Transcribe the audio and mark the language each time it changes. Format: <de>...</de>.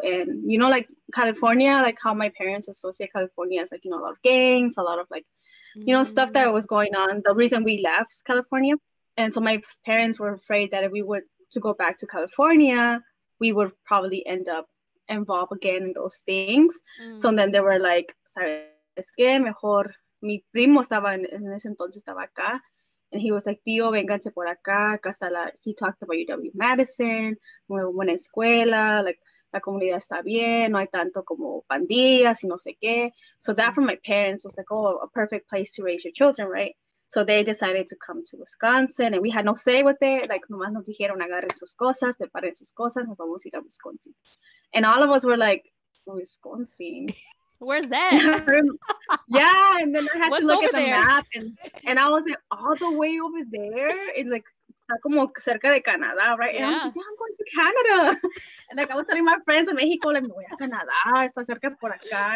<en>And, you know, like, California, like, how my parents associate California is, like, you know, a lot of gangs, a lot of, like, you know, stuff that was going on. The reason we left California. And so my parents were afraid that if we were to go back to California, we would probably end up involved again in those things. So then they were like,</en> <es>¿sabes qué? Mejor mi primo estaba en ese entonces estaba acá.</es> <en>And he was like,</en> <es>tío, vénganse por acá. Acá está la,</es> <en>he talked about</en> <es>UW Madison, muy buena escuela, like, la comunidad está bien, no hay tanto como pandillas y no sé qué.</es> <en>So that for my parents was like, oh, a perfect place to raise your children, right? So they decided to come to Wisconsin and we had no say with it.</en> <es>Like, nomás nos dijeron, agarren sus cosas, preparen sus cosas, nos vamos a ir a Wisconsin.</es> <en>And all of us were like, Wisconsin? Where's that? Yeah, and then I had What's to look at the there? Map and I was like, all the way over there? It's like,</en> <es>está como cerca de Canadá, right?</es> <en>Yeah. And I was like, yeah, I'm going to Canada. And like, I was telling my friends in Mexico, like,</en> <es>me voy a Canadá, está cerca por acá.</es>